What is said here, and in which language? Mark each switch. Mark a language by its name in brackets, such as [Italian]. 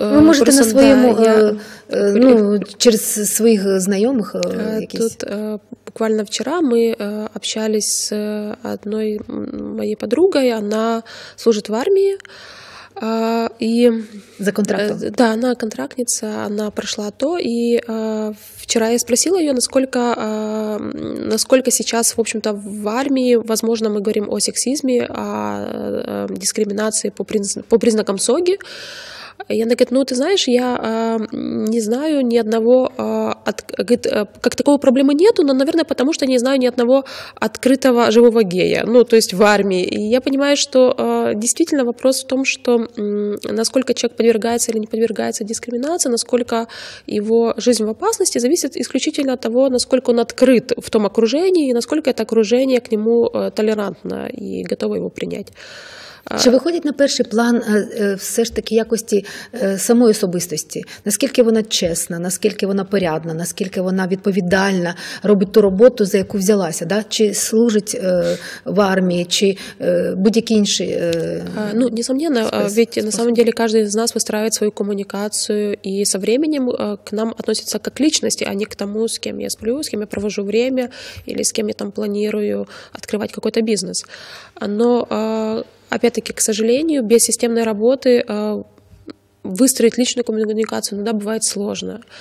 [Ukrainian] ви можете на своєму, да, ну, через своїх знайомих якісь? Тут буквально вчора ми общались з одною моєю подругою, вона служить в армії. [Russian] И [Ukrainian] за контрактом? [Russian] Да, она контрактница, она прошла АТО, и вчера я спросила ее, насколько сейчас, в общем-то, в армии, возможно, мы говорим о сексизме, о дискриминации по признакам СОГИ. И она говорит, ну, ты знаешь, я не знаю ни одного, как такого проблемы нету, но, наверное, потому что не знаю ни одного открытого живого гея, ну, то есть в армии. И я понимаю, что действительно вопрос в том, что насколько человек подвергается или не подвергается дискриминации, насколько его жизнь в опасности, зависит исключительно от того, насколько он открыт в том окружении и насколько это окружение к нему толерантно и готово его принять. [Ukrainian] Чи виходить на перший план все ж таки якості самої особистості? Наскільки вона чесна, наскільки вона порядна, наскільки вона відповідальна, робить ту роботу, за яку взялася? Да? Чи служить в армії, чи будь-які інші? [Russian] Ну, несомненно, ведь на самом деле каждый из нас выстраивает свою коммуникацию, и со временем к нам относятся как к личности, а не к тому, с кем я сплю, с кем я провожу время, или с кем я там планирую открывать какой-то бизнес. Но опять-таки, к сожалению, без системной работы выстроить личную коммуникацию иногда бывает сложно.